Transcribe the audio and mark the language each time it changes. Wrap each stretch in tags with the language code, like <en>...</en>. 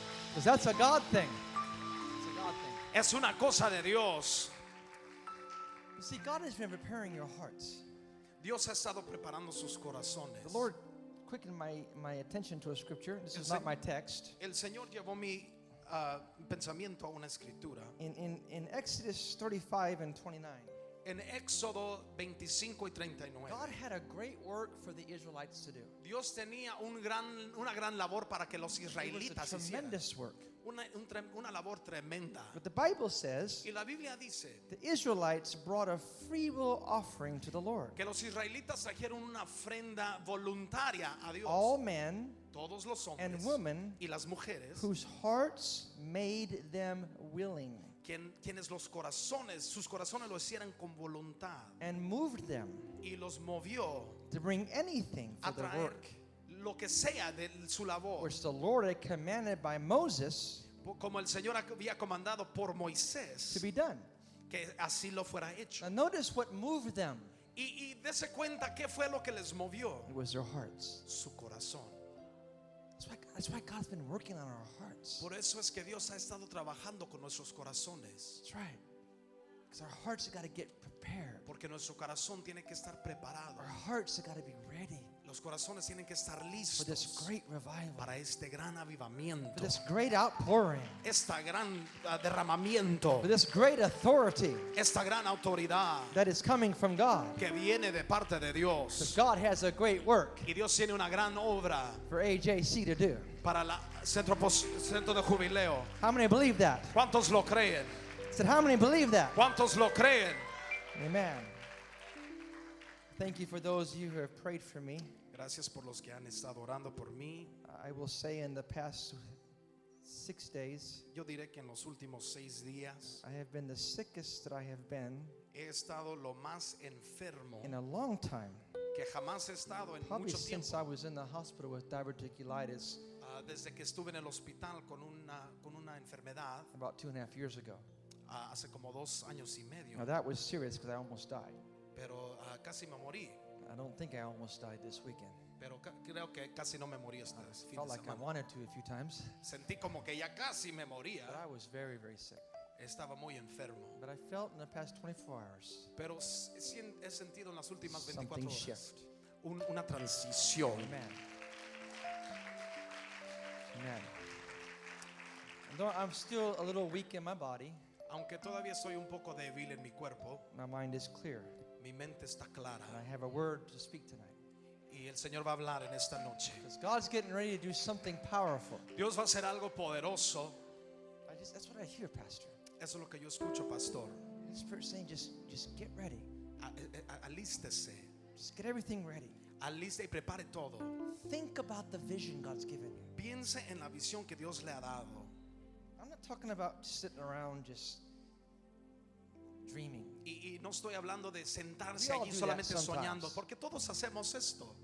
<en>Because that's a God thing. It's a God thing.</en> <es>Es una cosa de Dios.</es> <en>See, God has been preparing your hearts.</en> <es>Dios ha estado preparando sus corazones.</es> <en>The Lord quickened my attention to a scripture. This is not my text.</en> <es>El Señor llevó mi pensamiento a una escritura.</es> <en>In Exodus 35 and 29.</en> <es>En Éxodo 25 y 39.</es> <en>God had a great work for the Israelites to do.</en> <es>Dios tenía una gran labor para que los israelitas hicieran.</es> <en>It was a tremendous work.</en> <es>Una labor tremenda.</es> <en>But the Bible says,</en> <es>y la Biblia dice,</es> <en>the Israelites brought a free will offering to the Lord.</en> <es>Que los israelitas trajeron una ofrenda voluntaria a Dios.</es> <en>All men,</en> <es>todos los hombres,</es> <en>and women,</en> <es>y las mujeres,</es> <en>whose hearts made them willing.</en> <es>Quienes los corazones, sus corazones lo hicieran con voluntad.</es> <en>And moved them,</en> <es>y los movió,</es> <en>to bring anything for the work.</en> <es>Lo que sea de su labor.</es> <en>Which the Lord had commanded by Moses,</en> <es>como el Señor había comandado por Moisés</es> <en>to be done.</en> <es>Que así lo fuera hecho.</es> <en>Now notice what moved them.</en> <es>Y dése cuenta qué fue lo que les movió.</es> <en>It was their hearts.</en> <es>Su corazón.</es> <en>That's why God's been working on our hearts.</en> <es>Por eso es que Dios ha estado trabajando con nuestros corazones.</es> <en>That's right. Because our hearts have got to get prepared.</en> <es>Porque nuestro corazón tiene que estar preparado.</es> <en>Our hearts have got to be ready.</en> <es>Los corazones tienen que estar listos</es> <en>for this great revival.</en> <es>Para este gran avivamiento.</es> <en>For this great outpouring.</en> <es>Esta gran derramamiento.</es> <en>For this great authority.</en> <es>Esta gran autoridad.</es> <en>That is coming from God.</en> <es>Que viene de parte de Dios.</es> <en>Because God has a great work.</en> <es>Y Dios tiene una gran obra.</es> <en>For AJC to do.</en> <es>Para el centro de jubileo.</es> <en>How many believe that?</en> <es>¿Cuántos lo creen?</es> <en>Said, how many believe that?</en> <es>¿Cuántos lo creen?</es> <en>Amen. Thank you for those of you who have prayed for me.</en> <es>Gracias por los que han estado orando por mí.</es> <en>I will say in the past 6 days.</en> <es>Yo diré que en los últimos 6 días.</es> <en>I have been the sickest that I have been.</en> <es>He estado lo más enfermo.</es> <en>In a long time.</en> <es>Que jamás he estado en</es> <en>probably</en> <es>mucho tiempo.</es> <en>Since I was in the hospital with diverticulitis.</en> <es>Desde que estuve en el hospital con una enfermedad.</es> <en>About 2.5 years ago.</en> <es>Hace como 2 años y medio.</es> <en>Now that was serious because I almost died.</en> <es>Pero casi me morí.</es> <en>I don't think I almost died this weekend.</en> <es>Pero creo que casi no me morí este fin de semana.</es> <en>I felt like I wanted to a few times.</en> <es>Sentí como que ya casi me moría.</es> <en>But I was very, very sick.</en> <es>Estaba muy enfermo.</es> <en>But I felt in the past 24 hours.</en> <es>Pero he sentido en las últimas 24</es> <en>something</en> <es>horas.</es> <en>Shift.</en> <es>Una transición.</es> <en>Amen.</en> <es>Amen.</es> <en>Though I'm still a little weak in my body.</en> <es>Aunque todavía soy un poco débil en mi cuerpo.</es> <en>My mind is clear.</en> <es>Mi mente está clara.</es> <en>And I have a word to speak tonight.</en> <es>Y el Señor va a hablar en esta noche.</es> <en>Because God's getting ready to do something powerful.</en> <es>Dios va a hacer algo poderoso.</es> <en>That's what I hear, Pastor.</en> <es>Eso es lo que yo escucho, Pastor.</es> <en>The Spirit saying, just get ready.</en> <es>Alístese.</es> <en>Just get everything ready.</en> <es>Aliste y prepare todo.</es> <en>Think about the vision God's given you.</en> <es>Piense en la visión que Dios le ha dado.</es> <en>I'm not talking about sitting around just dreaming.</en> <es>Y no estoy hablando de sentarse allí solamente soñando, porque todos hacemos esto.</es>